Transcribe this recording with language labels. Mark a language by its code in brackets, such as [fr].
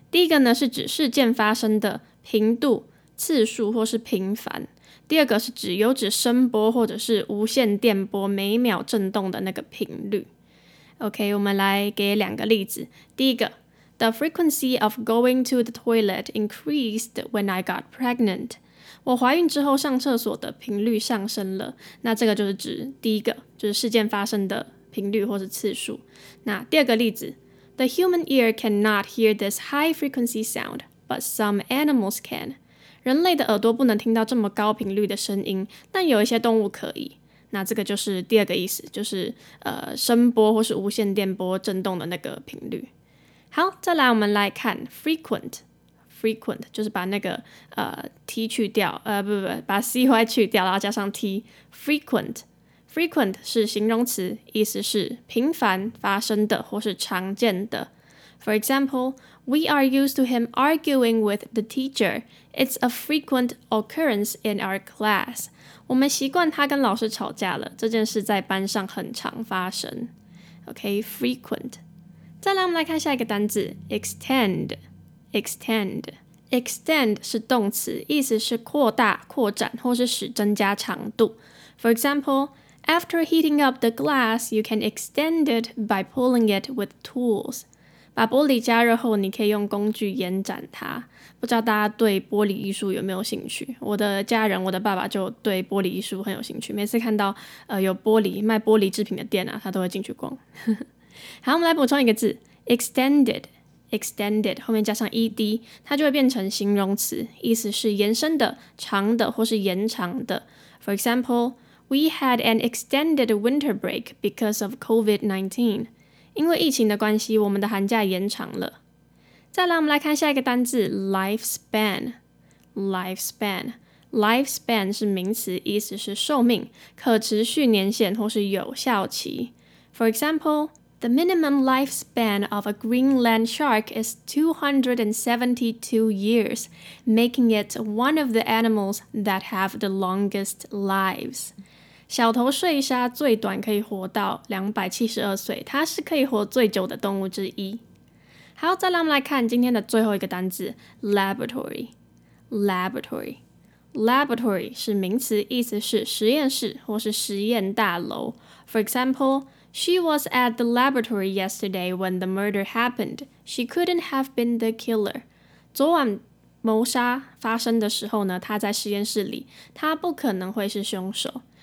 [zh] 第一个呢是指事件发生的频度、次数或是频繁。第二个是指有指声波或者是无线电波每秒震动的那个频率。 OK， 我们来给两个例子。第一个。 [en] The frequency of going to the toilet increased when I got pregnant. [zh] 我怀孕之后上厕所的频率上升了。那这个就是指第一个，就是事件发生的频率或是次数。那第二个例子 [en] ，The human ear cannot hear this high frequency sound, but some animals can. [zh] 人类的耳朵不能听到这么高频率的声音，但有一些动物可以。那这个就是第二个意思，就是声波或是无线电波震动的那个频率。好，再来我们来看 frequent。frequent 就是把那个T 去掉，把 CY 去掉，然后加上 T。frequent。 frequent 是形容词，意思是频繁发生的或是常见的。 [en] For example, we are used to him arguing with the teacher. It's a frequent occurrence in our class. [zh] 我们习惯他跟老师吵架了，这件事在班上很常发生。 Okay, frequent. 再来我们来看下一个单字， extend. Extend. Extend 是动词，意思是扩大、扩展或是使增加长度。 [en] For example, after heating up the glass, you can extend it by pulling it with tools. [zh] 把玻璃加热后，你可以用工具延展它。不知道大家对玻璃艺术有没有兴趣？我的家人，我的爸爸就对玻璃艺术很有兴趣。每次看到有玻璃卖玻璃制品的店啊，他都会进去逛。好，我们来补充一个字 ，extended。extended 后面加上 ed， 它就会变成形容词，意思是延伸的、长的或是延长的。 [en] For example, we had an extended winter break because of COVID-19. [zh] 因为疫情的关系，我们的寒假延长了。再来，我们来看下一个单字 ，lifespan。lifespan。 lifespan 是名词，意思是寿命、可持续年限或是有效期。 [en] For example, the minimum lifespan of a Greenland shark is 272 years, making it one of the animals that have the longest lives. [zh] 小头睡鲨最短可以活到272岁，它是可以活最久的动物之一。好，再来我们来看今天的最后一个单字 ，laboratory。laboratory。 laboratory 是名词，意思是实验室或是实验大楼。 [en] For example, she was at the laboratory yesterday when the murder happened. She couldn't have been the killer. [zh] 昨晚谋杀发生的时候呢，她在实验室里，她不可能会是凶手。